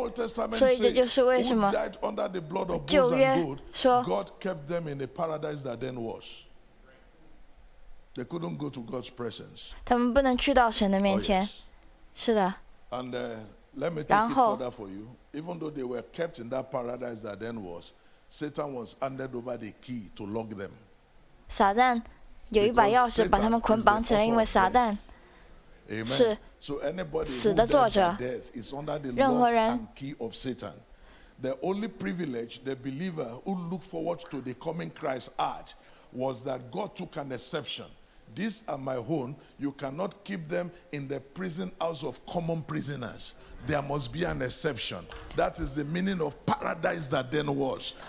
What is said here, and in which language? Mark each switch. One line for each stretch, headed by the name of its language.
Chinese: 所以这就是为什么旧约说
English: God kept them in the paradise that then was. They couldn't go to God's presence.
Chinese: 他们不能去到神的面前，是的。
English: And let me take it further for you. Even though they were kept in that paradise that then was, Satan was handed over the key to lock them.
Chinese: Satan 有一把钥匙把他们捆绑起来，因为撒旦是死的作者。任何人
English: key of Satan. The only privilege the believer who looked forward to the coming Christ had was that God took an exception. These are my own. You cannot keep them in the prison house of common prisoners. There must be an exception. That is the meaning of paradise that then was.